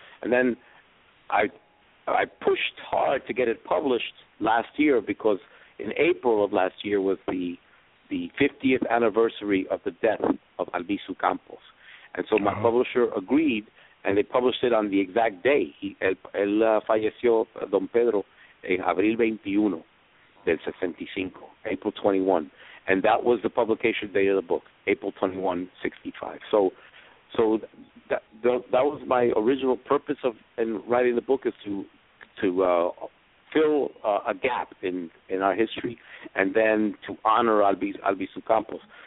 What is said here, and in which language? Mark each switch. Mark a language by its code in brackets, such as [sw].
[en] And then I pushed hard to get it published last year because in April of last year was the 50th anniversary of the death of Albizu Campos. And so my publisher agreed, and they published it on the exact day. [es] Él falleció, Don Pedro, en abril 21 del 65, [en] April 21. And that was the publication date of the book, April 21, 65. So that was my original purpose in writing the book, is to fill a gap in our history and then to honor Albizu Campos.